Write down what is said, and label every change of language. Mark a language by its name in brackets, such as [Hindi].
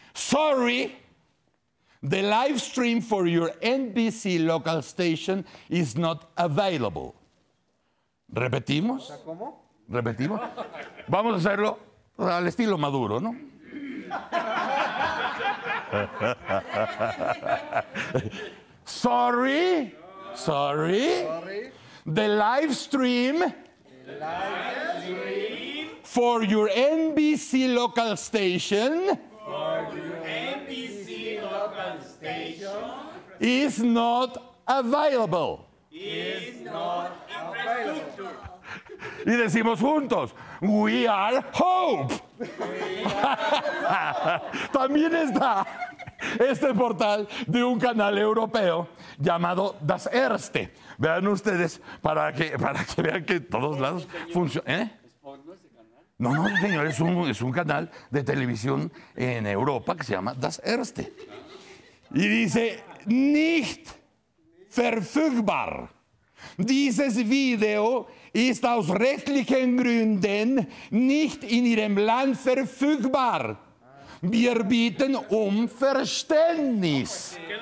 [English] Sorry, the live stream for your NBC local station is not available. [Spanish] ¿Repetimos? ¿Cómo? ¿Repetimos? Vamos a hacerlo al estilo Maduro, ¿no? [English] Sorry, sorry, the live stream. For your NBC local station. For your NBC local station. Is not available. Is not available. [Spanish] Y decimos juntos, [English] we are hope. [Spanish] También está este portal de un canal europeo llamado Das Erste. Vean ustedes para que vean que todos lados funcionan. ¿Eh? No, no, señor, es un canal de televisión en Europa que se llama Das Erste. Y dice, [German] nicht verfügbar. Dieses Video ist aus rechtlichen Gründen nicht in ihrem Land verfügbar. Wir bitten um Verständnis.